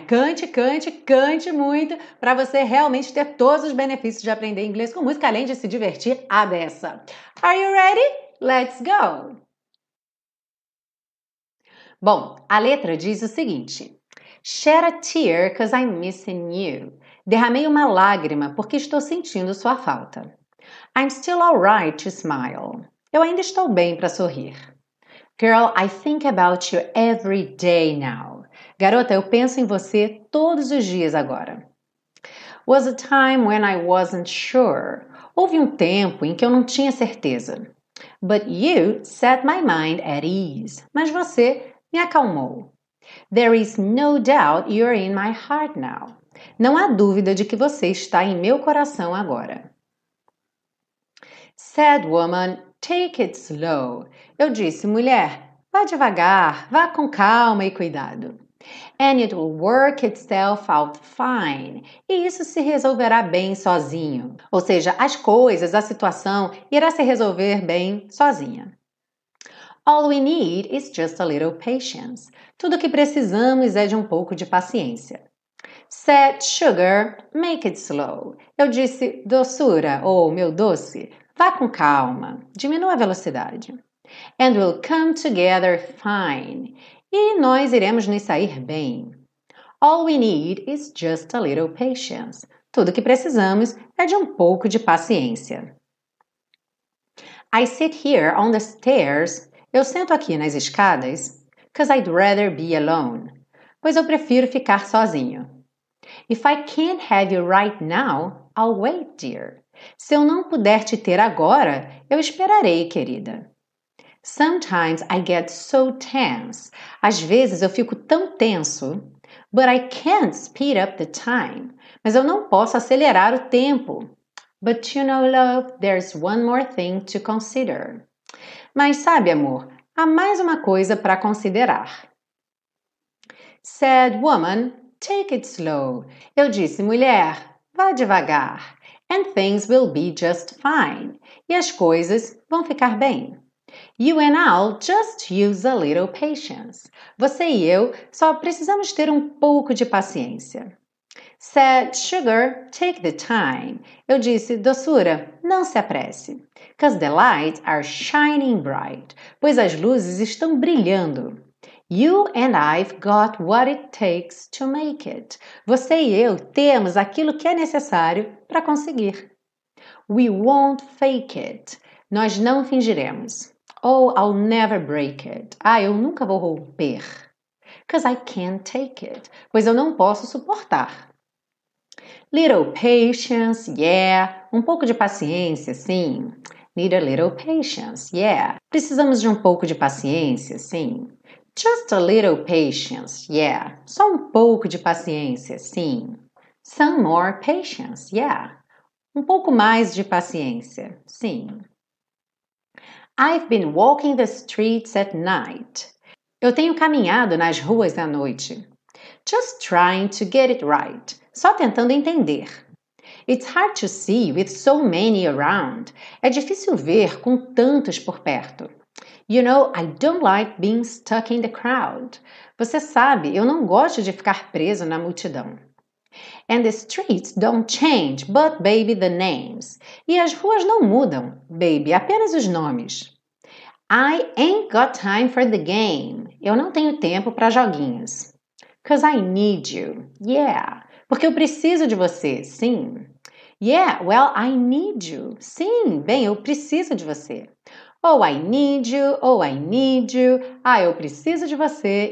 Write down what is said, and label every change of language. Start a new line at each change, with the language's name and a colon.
Portuguese: Cante, cante, cante muito para você realmente ter todos os benefícios de aprender inglês com música, além de se divertir a dessa.
English: Are you ready? Let's go!
Portuguese: Bom, a letra diz o seguinte:
English: Shed a tear 'cause I'm missing you.
Portuguese: Derramei uma lágrima porque estou sentindo sua falta.
English: I'm still alright to smile.
Portuguese: Eu ainda estou bem para sorrir.
English: Girl, I think about you every day now.
Portuguese: Garota, eu penso em você todos os dias agora.
English: Was a time when I wasn't sure.
Portuguese: Houve um tempo em que eu não tinha certeza.
English: But you set my mind at ease.
Portuguese: Mas você me acalmou.
English: There is no doubt you're in my heart now.
Portuguese: Não há dúvida de que você está em meu coração agora.
English: Sad woman, take it slow.
Portuguese: Eu disse, mulher, vá devagar, vá com calma e cuidado.
English: And it will work itself out fine.
Portuguese: E isso se resolverá bem sozinho. Ou seja, as coisas, a situação irá se resolver bem sozinha.
English: All we need is just a little patience.
Portuguese: Tudo que precisamos é de um pouco de paciência.
English: Said sugar, make it slow.
Portuguese: Eu disse, doçura, ou meu doce, vá com calma, diminua a velocidade.
English: And we'll come together fine.
Portuguese: E nós iremos nos sair bem.
English: All we need is just a little patience.
Portuguese: Tudo que precisamos é de um pouco de paciência.
English: I sit here on the stairs.
Portuguese: Eu sento aqui nas escadas.
English: 'Cause I'd rather be alone.
Portuguese: Pois eu prefiro ficar sozinho.
English: If I can't have you right now, I'll wait, dear.
Portuguese: Se eu não puder te ter agora, eu esperarei, querida.
English: Sometimes I get so tense.
Portuguese: Às vezes eu fico tão tenso.
English: But I can't speed up the time.
Portuguese: Mas eu não posso acelerar o tempo.
English: But you know, love, there's one more thing to consider.
Portuguese: Mas sabe, amor, há mais uma coisa para considerar.
English: Said woman, take it slow.
Portuguese: Eu disse, mulher, vá devagar.
English: And things will be just fine.
Portuguese: E as coisas vão ficar bem.
English: You and I'll just use a little patience.
Portuguese: Você e eu só precisamos ter um pouco de paciência.
English: Said sugar, take the time.
Portuguese: Eu disse, doçura, não se apresse.
English: 'Cause the lights are shining bright.
Portuguese: Pois as luzes estão brilhando.
English: You and I've got what it takes to make it.
Portuguese: Você e eu temos aquilo que é necessário para conseguir.
English: We won't fake it.
Portuguese: Nós não fingiremos.
English: Oh, I'll never break it.
Portuguese: Ah, eu nunca vou romper.
English: 'Cause I can't take it.
Portuguese: Pois eu não posso suportar.
English: Little patience, yeah.
Portuguese: Um pouco de paciência, sim.
English: Need a little patience, yeah.
Portuguese: Precisamos de um pouco de paciência, sim.
English: Just a little patience, yeah.
Portuguese: Só um pouco de paciência, sim.
English: Some more patience, yeah.
Portuguese: Um pouco mais de paciência, sim.
English: I've been walking the streets at night.
Portuguese: Eu tenho caminhado nas ruas à noite.
English: Just trying to get it right.
Portuguese: Só tentando entender.
English: It's hard to see with so many around.
Portuguese: É difícil ver com tantos por perto.
English: You know, I don't like being stuck in the crowd.
Portuguese: Você sabe, eu não gosto de ficar preso na multidão.
English: And the streets don't change, but baby, the names.
Portuguese: E as ruas não mudam, baby, apenas os nomes.
English: I ain't got time for the game.
Portuguese: Eu não tenho tempo para joguinhos.
English: 'Cause I need you. Yeah.
Portuguese: Porque eu preciso de você, sim.
English: Yeah, well, I need you.
Portuguese: Sim, bem, eu preciso de você.
English: Oh, I need you. Oh, I need you.
Portuguese: Ah, eu preciso de você.